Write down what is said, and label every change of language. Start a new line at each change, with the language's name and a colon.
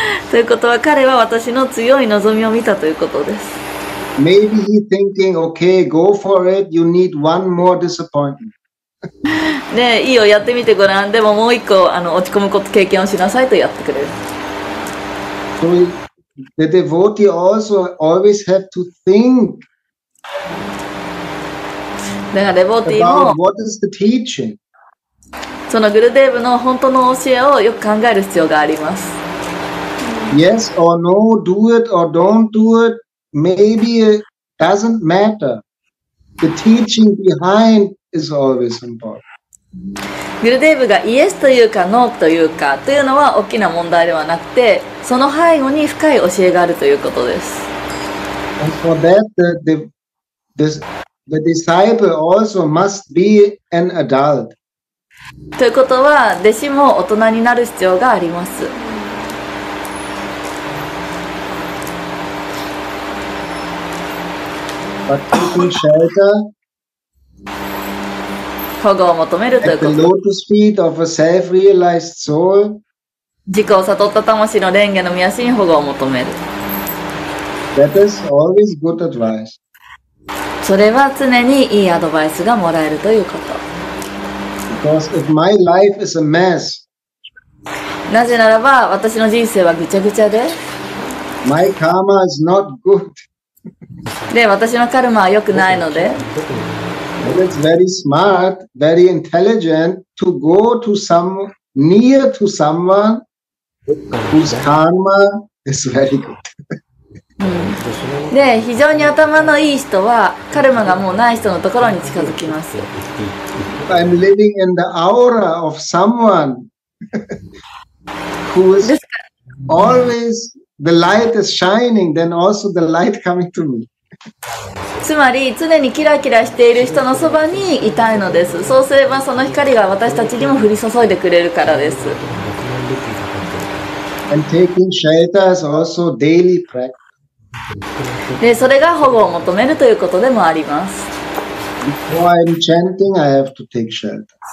Japanese: ということは彼は私の強い望みを見たということです。
English: Maybe he thinking, okay, go for it. You need one more disappointment.
Japanese: ねえ、いいよ、やってみてごらん。でももう一個落ち込むこと経験をしなさいとやってくれる。
English: So the devotee also always have to think.
Japanese: だからデボティも。
English: About what is the teaching?
Japanese: そのグルデーブの本当の教えをよく考える必要があります。
English: Yes or no, do it or don't do it, maybe it doesn't matter. The teaching behind is always important.
Japanese: グルデーブがイエスというかノーというかというのは大きな問題ではなくて、その背後に深い教えがあるということです。
English: And for that, the disciple also must be an adult.
Japanese: ということは、弟子も大人になる必要があります。
English: But taking shelter,
Japanese: 保護を求めるということ。
English: At the lotus feet of a self-realized soul,
Japanese: 自己を悟った魂の蓮華の御足に保護を求める。
English: That is always good advice.
Japanese: それは常にいいアドバイスがもらえるということ。
English: Because if my life is a mess,
Japanese: なぜならば私の人生はぐちゃぐちゃで、
English: my karma is not good.
Japanese: で、私のカルマは良くないので、
English: It's very smart, very intelligent to go to near to someone whose karma is very good.
Japanese: で、非常に頭のいい人はカルマがもうない人のところに近づきます。
English: I'm living in the aura of someone who is always the light is shining, then also the light coming to me.
Japanese: つまり常にキラキラしている人のそばにいたいのです。そうすればその光が私たちにも降り注いでくれるからです。
English: And taking shelter is also daily practice.
Japanese: でそれが保護を求めるということでもあります。
English: Before I'm chanting, I have to take shelter.